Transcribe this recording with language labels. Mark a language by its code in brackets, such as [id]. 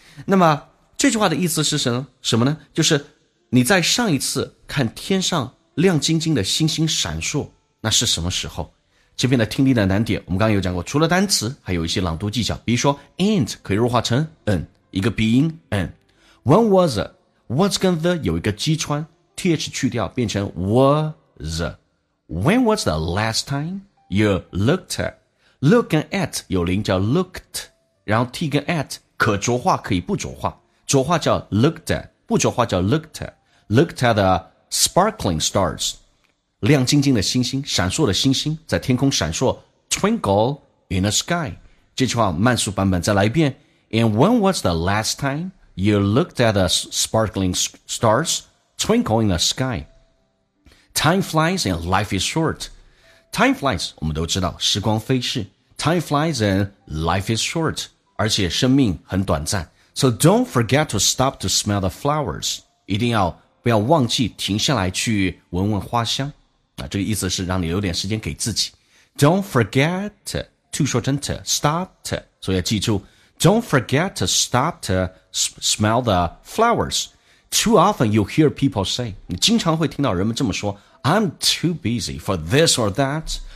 [zh] 那么这句话的意思是什么呢就是你在上一次看天上亮晶晶的星星闪烁那是什么时候这边的听力的难点我们刚刚有讲过除了单词还有一些朗读技巧比如说 and 可以弱化成 n 一个鼻音 n [en] When was it? Was 跟 the [zh] 有一个击穿 [en] th [zh] 去掉变成 [en] was When was the last time you looked at? [zh] Look 跟 at 有零叫 looked 然后 t 跟 at 可浊化可以不浊化浊化叫 looked at, 不浊化叫 looked at, [en] looked at the sparkling stars, [zh] 亮晶晶的星星闪烁的星星在天空闪烁 [en] twinkle in the sky. [zh] 这句话慢速版本再来一遍 [en] And when was the last time you looked at the sparkling stars twinkle in the sky? Time flies and life is short. Time flies, [zh] 我们都知道时光飞逝 [en] Time flies and life is short, [zh] 而且生命很短暂。 [en] So don't forget to stop to smell the flowers. [zh] 一定要不要忘记停下来去闻闻花香。啊，这个意思是让你留点时间给自己。 [en] Don't forget to [zh] 说成 [en] to stop to. [zh] 所以要记住 [en] ,don't forget to stop to smell the flowers. Too often you hear people say, [zh] 你经常会听到人们这么说 [en] ,I'm too busy for this or that.